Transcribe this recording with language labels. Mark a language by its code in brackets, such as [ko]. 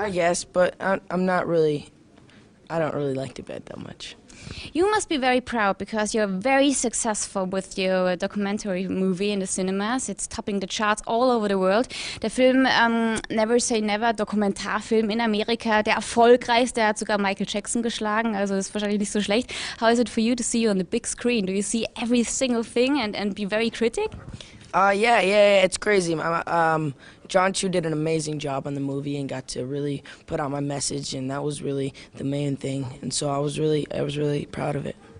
[en] I guess, but I'm not really, I don't really like to bet that much. You must be very proud because you're very successful with your documentary movie in the cinemas. It's topping the charts all over the world. [de] Der Film Never Say Never, Dokumentarfilm in Amerika, der erfolgreichste, hat sogar Michael Jackson geschlagen, also ist wahrscheinlich nicht so schlecht. [en] How is it for you to see you on the big screen? Do you see every single thing and be very critic? Yeah, it's crazy. John Chu did an amazing job on the movie and got to really put out my message, and that was really the main thing. And so I was really proud of it.